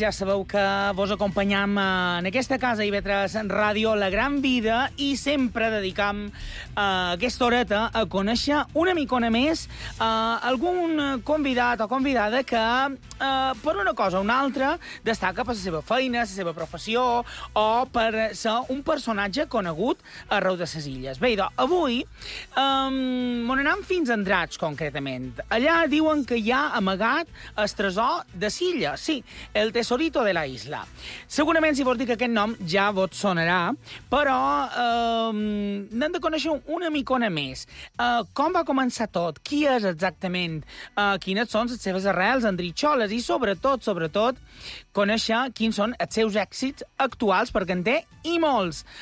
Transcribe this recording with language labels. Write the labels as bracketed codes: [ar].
[ca] Ja sabeu que vos acompanyam en aquesta casa, IB3 Ràdio, la gran vida, i sempre dedicam aquesta horeta a conèixer una micona més algun convidat o convidada que, per una cosa o una altra, destaca per la seva feina, la seva professió, o per ser un personatge conegut arreu de les illes. Bé, idò, avui m'on anem fins a Andratx, concretament. Allà diuen que hi ha amagat el tresor de Silla. [es] Sí, el tesorito de la isla. [ca] Segurament, si vos dic aquest nom, ja vos sonarà, però n'hem de conèixer una micona més. Com va començar tot? Qui és exactament? Quines són les seves arrels, andritxoles? I sobretot, sobretot, conèixer quins són els seus èxits actuals, perquè en té i molts.